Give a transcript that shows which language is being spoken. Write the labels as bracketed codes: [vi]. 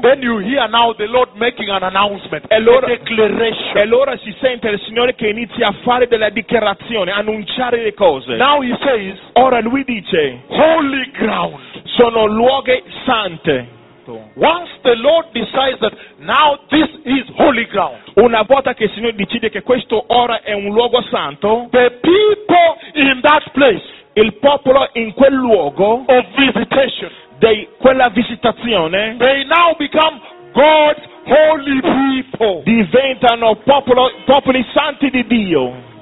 [en] Then you hear now the Lord making an announcement. [it] Allora, [en] a declaration. [it] Allora si sente il Signore che inizia a fare della dichiarazione, annunciare le cose. [en] Now he says. [it] Ora lui dice. [en] Holy ground. [it] Sono luoghi sante. [en] Once the Lord decides that now this is holy ground. [it] Una volta che il Signore decide che questo ora è un luogo santo. [en] The people in that place. [it] Il popolo in quel luogo. [en] Of visitation. [it] Di quella visitazione. [en] They now become God's holy people. [it] Diventano popolo, popoli santi di Dio.